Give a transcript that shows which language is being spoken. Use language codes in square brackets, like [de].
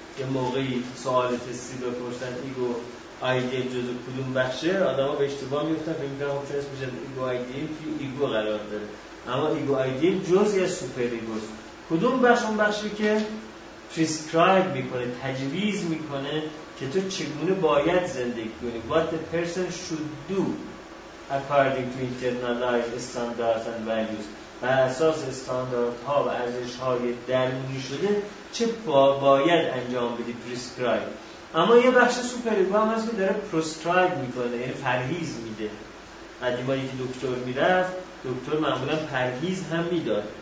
[fa] یه موقعی سوال تستی بپرسن ایگو آیدیل جزء کدوم بخشه، آدم ها به اشتباه میفتن، میگن خب چه اسمش ایگو آیدیل توی ایگو قرار داره، اما ایگو آیدیل جزء سوپر ایگو است. کدوم بخش؟ اون بخشی که پریسکرایب میکنه، تجویز میکنه که تو چگونه باید زندگی کنی. [en] What the person should do according to internalized standards and values. [fa] بر اساس استانداردها و ارزشهای درونی شده چه باید انجام بدی، پریسکرایب. اما یه بخش سوپریگو هم هست که داره پروسکرایب میکنه، یعنی پرهیز میده. قدیما یکی دکتر میرفت، دکتر معمولا پرهیز هم میداد.